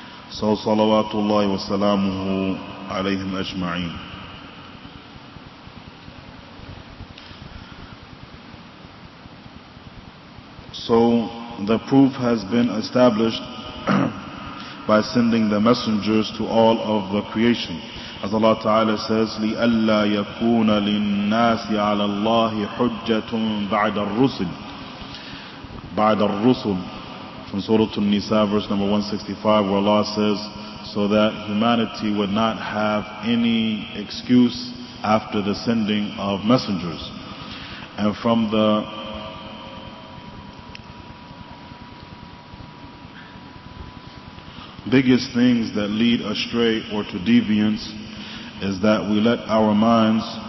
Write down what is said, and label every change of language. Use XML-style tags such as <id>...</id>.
<ar>So salawatullahi wa salamuhu alayhim ajma'in.</ar> <en>So the proof has been established by sending the messengers to all of the creation. As Allah Ta'ala says,</en> <ar>لِأَلَّا يَكُونَ لِلنَّاسِ عَلَى اللَّهِ حُجَّةٌ بَعْدَ الرُّسُلِ. بَعْدَ الرُّسُلِ,</ar> <en>from Surah An-Nisa, verse number 165, where Allah says, so that humanity would not have any excuse after the sending of messengers. And from the biggest things that lead astray or to deviance is that we let our minds</en>